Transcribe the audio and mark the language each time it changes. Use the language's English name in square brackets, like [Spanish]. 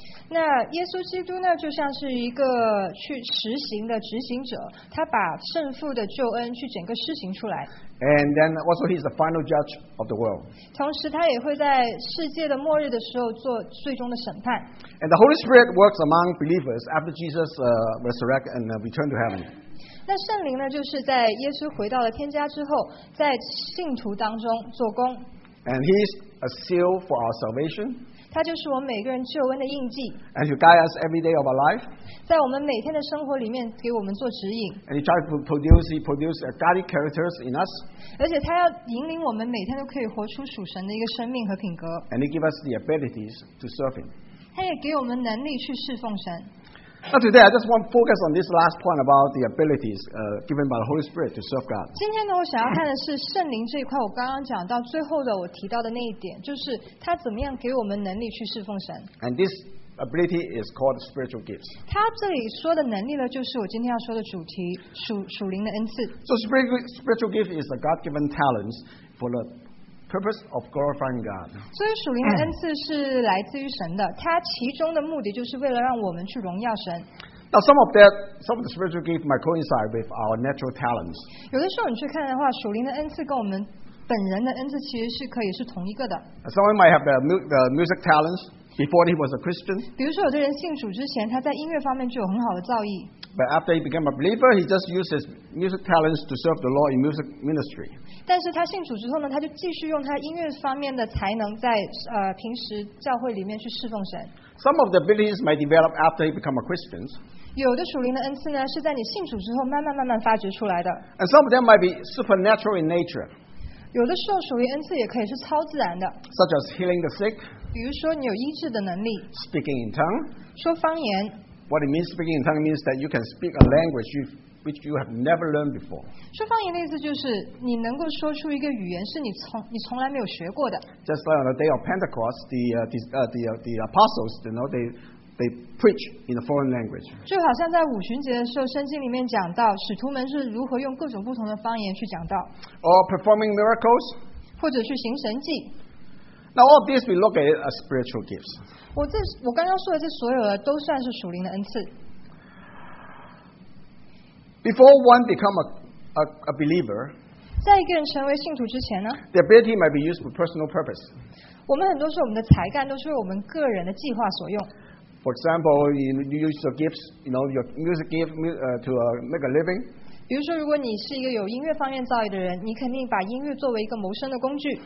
[Chinese] 那耶稣基督呢，就像是一个去实行的执行者，他把圣父的救恩去整个施行出来。 [English] And then also he's the final judge of the world. [Chinese] 同时他也会在世界的末日的时候做最终的审判。 [English] And the Holy Spirit works among believers after Jesus resurrected and returned to heaven. [Chinese] 那圣灵呢，就是在耶稣回到了天家之后，在信徒当中做工。 [English] And he's a seal for our salvation. [Chinese] 它就是我们每个人救恩的印记。 [English] And to guide us every day of our life. [Chinese] 在我们每天的生活里面给我们做指引。 [English] And he produces a godly characters in us. [Chinese] 而且它要引领我们每天都可以活出属神的一个生命和品格。 [English] And he gives us the abilities to serve him. [Chinese] 它也给我们能力去侍奉神。 [English] Now today, I just want to focus on this last point about the abilities given by the Holy Spirit to serve God. [Chinese] 今天呢，我想要看的是圣灵这一块。我刚刚讲到最后的，我提到的那一点，就是他怎么样给我们能力去侍奉神。 [English] And this ability is called spiritual gifts. [Chinese] 他这里说的能力呢，就是我今天要说的主题，属灵的恩赐。 [English] So spiritual gift is the God-given talents for the purpose of glorifying God. [Chinese] 所以属灵的恩赐是来自于神的，它其中的目的就是为了让我们去荣耀神。 [English] Now some of the spiritual gifts might coincide with our natural talents. [Chinese] 有的时候你去看的话，属灵的恩赐跟我们本人的恩赐其实是可以是同一个的。 [English] Someone might have the music talents before he was a Christian. [Chinese] 比如说有的人信主之前，他在音乐方面就有很好的造诣。 [English] But after he became a believer, he just used his music talents to serve the Lord in music ministry. [Chinese] 但是他信主之后呢，他就继续用他音乐方面的才能在平时教会里面去侍奉神。 [English] Some of the abilities might develop after he became a Christian. [Chinese] 有的属灵的恩赐呢，是在你信主之后慢慢发掘出来的。 [English] And some of them might be supernatural in nature. [Chinese] 有的时候属灵恩赐也可以是超自然的。 [English] Such as healing the sick. [Chinese] 比如说你有医治的能力。 [English] Speaking in tongue. [Chinese] 说方言。 [English] What it means speaking in tongue means that you can speak a language which you have never learned before. [Chinese] 说方言的意思就是你能够说出一个语言是你从来没有学过的。 [English] Just like on the day of Pentecost, the apostles, you know, they preach in a foreign language. [Chinese] 就好像在五旬节的时候，圣经里面讲到使徒们是如何用各种不同的方言去讲道。 [English] Or performing miracles. [Chinese] 或者去行神迹。 [English] Now all of this we look at as spiritual gifts. [Chinese] 我刚刚说的这所有的都算是属灵的恩赐。 [English] Before one become a believer, [Chinese] 在一个人成为信徒之前呢， [English] the ability might be used for personal purpose. [Chinese] 我们很多时候我们的才干都是为我们个人的计划所用。 [English] For example, you use your gifts, you know, your music gift to make a living. [Chinese] 比如说，如果你是一个有音乐方面造诣的人，你肯定把音乐作为一个谋生的工具。